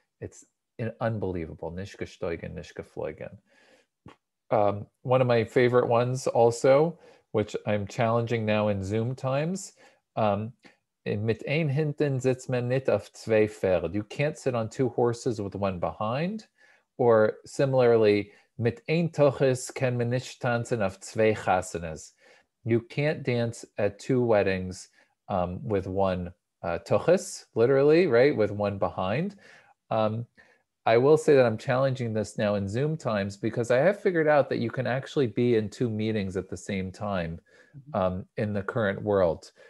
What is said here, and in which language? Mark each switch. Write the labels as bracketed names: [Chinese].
[English] It's unbelievable. [Yiddish] Nish gestoigen, nish gefloigen. [English] One of my favorite ones also, which I'm challenging now in Zoom times, [Yiddish] mit ein hinten sitzt man nicht auf zwei Pferd. [English] You can't sit on two horses with one behind. Or similarly, [Yiddish] mit ein toches kann man nicht tanzen auf zwei chasenes. [English] You can't dance at two weddings with one tuchus, literally, right? With one behind. I will say that I'm challenging this now in Zoom times, because I have figured out that you can actually be in two meetings at the same time in the current world.